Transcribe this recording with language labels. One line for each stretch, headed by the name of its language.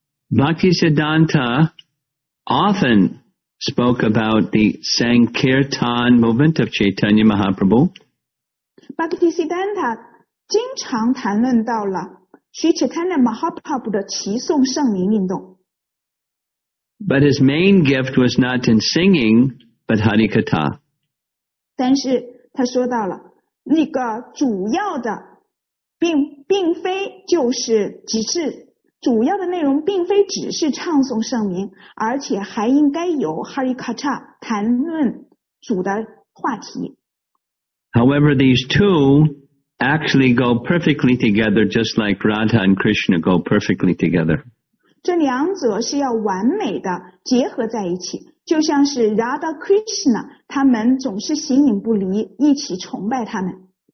English: Bhakti Siddhanta often spoke about the Sankirtan movement of Chaitanya Mahaprabhu.
Chinese: Bhakti Siddhanta 经常谈论到了 Sri Chaitanya Mahaprabhu 的齐颂圣名运动。
English: But his main gift was not in singing, but Hari Katha.
Chinese: 但是他说到了那个主要的 并非就是只是主要的内容并非只是唱诵圣名，而且还应该有 Hari Katha 谈论主的话题。
English: However, these two actually go perfectly together, just like Radha and Krishna go perfectly together.
Chinese: 这两者是要完美的结合在一起，就像是 Radha Krishna 他们总是形影不离，一起崇拜他们。